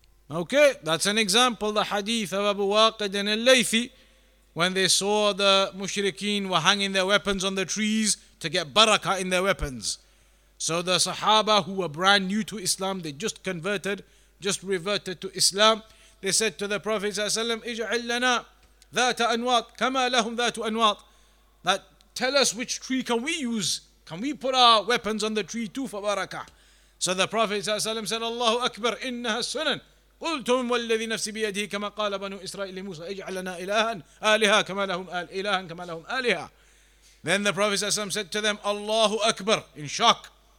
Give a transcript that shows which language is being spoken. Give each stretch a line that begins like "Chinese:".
English: Okay, that's an example. The hadith of Abu Waqid and Al-Laythi, when they saw the mushrikeen were hanging their weapons on the trees to get barakah in their weapons. So the Sahaba, who were brand new to Islam, they just converted, just reverted to Islam. They said to the Prophet ﷺ,
Arabic: اجعل لنا ذات أنواط كما لهم ذات أنواط.
English: That tell us which tree can we use. Can we put our weapons on the tree too for barakah? So the Prophet ﷺ said, Allahu Akbar,
Arabic: إنها السنن. قلتم والذي نفسي بيده كما قال بنو إسرائيل لموسى اجعل لنا إلها آلهة كما لهم إلها كما لهم آلهة.
English: Then the Prophet ﷺ said to them, Allahu Akbar, in shock.